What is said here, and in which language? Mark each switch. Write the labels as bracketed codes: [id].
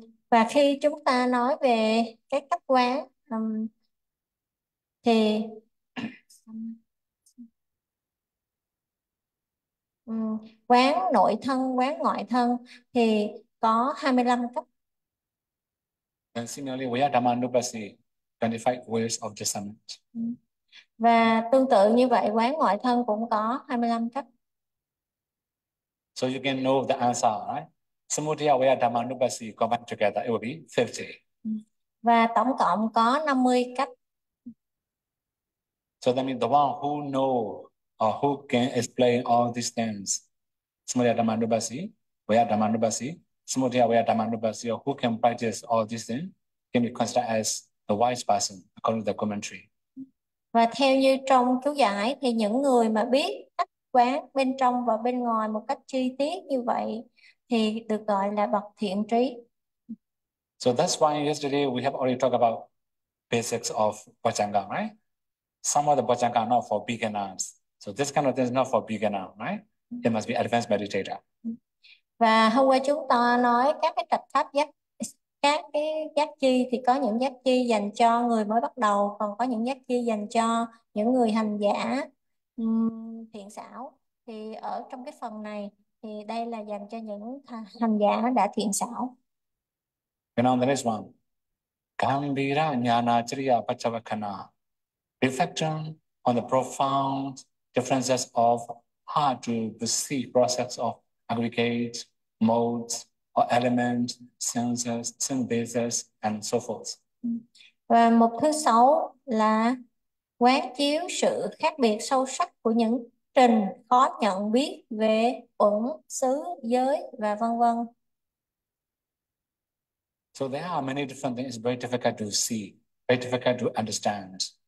[vi] Và khi chúng ta nói về các cấp quán thì quán nội thân, quán ngoại thân thì có 25 cấp. [en] And similarly, we are Dhammanupassī, 25 ways of discernment. [vi] Và tương tự như vậy, quán ngoại thân cũng có 25 cấp. [en] So you can know the answer, right? Samudaya Vaya Dhammanupassī combined together, it will be 50. [vi] Và tổng cộng có 50 cách. [en] So that means the one who know or who can explain all these things, Samudaya Dhammanupassī, Vaya Dhammanupassī, Samudaya Vaya Dhammanupassī, who can practice all these things, can be considered as the wise person according to the commentary. [vi] Và theo như trong chú giải thì những người mà biết cách quán bên trong và bên ngoài một cách chi tiết như vậy thì được gọi là bậc thiện trí. [en] So that's why yesterday we have already talked about basics of Bhajanga, right? Some of the Bhajanga are not for beginners. So this kind of thing is not for beginner, right? It must be advanced meditator. [vi] Và hôm qua chúng ta nói các cái tập pháp giác, các cái giác chi thì có những giác chi dành cho người mới bắt đầu, còn có những giác chi dành cho những người hành giả thiện xảo. Thì ở trong cái phần này thì đây là dành cho những hành giả đã thiện xảo. [en] And on the next one, Gambhira Jnana Chriya Pachavakana. Reflection on the profound differences of how to perceive process of aggregate, modes, or element, senses, synthesis, and so forth. [vi] Và mục thứ sáu là quán chiếu sự khác biệt sâu sắc của những trình khó nhận biết về uẩn, xứ, giới và vân vân. [en] So there are many different things very difficult to see, very difficult to understand.